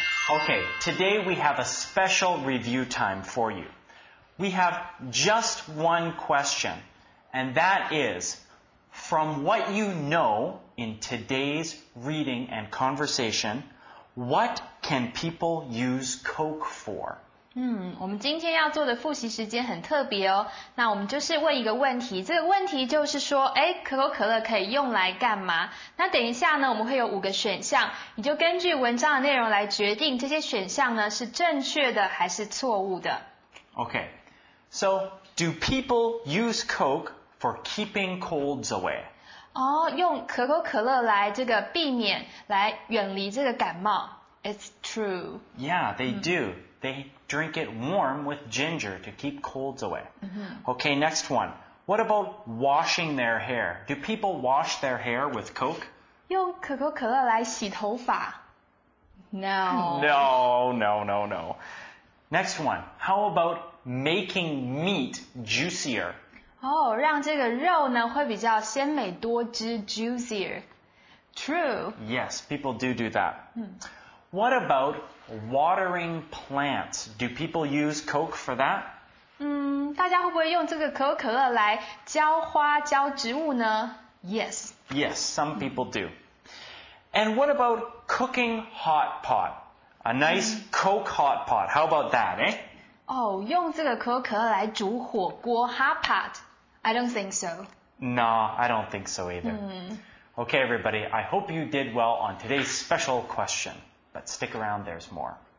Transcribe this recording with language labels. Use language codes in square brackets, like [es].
[en] Okay, today we have a special review time for you. We have just one question, and that is, from what you know in today's reading and conversation, what can people use Coke for? [zh] 我们今天要做的复习时间很特别哦。那我们就是问一个问题，这个问题就是说，可口可乐可以用来干嘛？那等一下呢，我们会有五个选项，你就根据文章的内容来决定这些选项呢，是正确的还是错误的。 [en] Okay. So, do people use Coke for keeping colds away? [zh] 哦，用可口可乐来这个避免，来远离这个感冒。 [en] It's true. Yeah, they do. They drink it warm with ginger to keep colds away. Okay, next one. What about washing their hair? Do people wash their hair with Coke? [zh] 用可口可乐来洗头发。No. [en] No, no, no, no. Next one. How about... Making meat juicier. [zh] 哦，让这个肉呢会比较鲜美多汁 juicier. [en] True. Yes, people do that. What about watering plants? Do people use Coke for that? [zh] 大家会不会用这个可口可乐来浇花浇植物呢？ [en] Yes. Yes, some people do. And what about cooking hot pot? A nice Coke hot pot. How about that, eh? [zh] 用这个可口可乐来煮火锅 ,hot pot. [en] I don't think so. No, I don't think so either. Okay, everybody, I hope you did well on today's special question. But stick around, there's more.